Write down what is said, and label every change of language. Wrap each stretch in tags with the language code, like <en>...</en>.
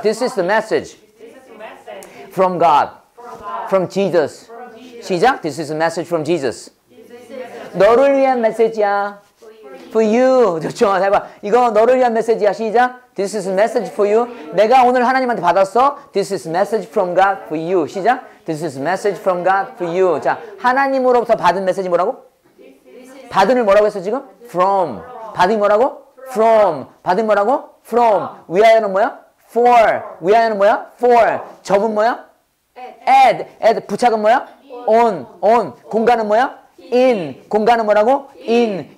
<en>This is the message. From God. From Jesus.</en> <ko>시작.</ko> <en>This is the message from Jesus.</en> <ko>너를 위한 메시지야.</ko> <en>For you.</en> <ko>좋죠. 해봐. 이거 너를 위한 메시지야. 시작.</ko> <en>This is a message for you.</en> <ko>내가 오늘 하나님한테 받았어.</ko> <en>This is a message from God for you.</en> <ko>시작.</ko> <en>This is a message from God for you.</en> <ko>자, 하나님으로부터 받은 메시지 뭐라고? 받은을 뭐라고 했어 지금? From. 받은 뭐라고? From. 받은 뭐라고? From. 위하여는 뭐야? For. 위하여는 뭐야? For. 접은 뭐야? Add. Add. 부착은 뭐야? On. On. 공간은 뭐야? In. 공간은 뭐라고? In.</ko>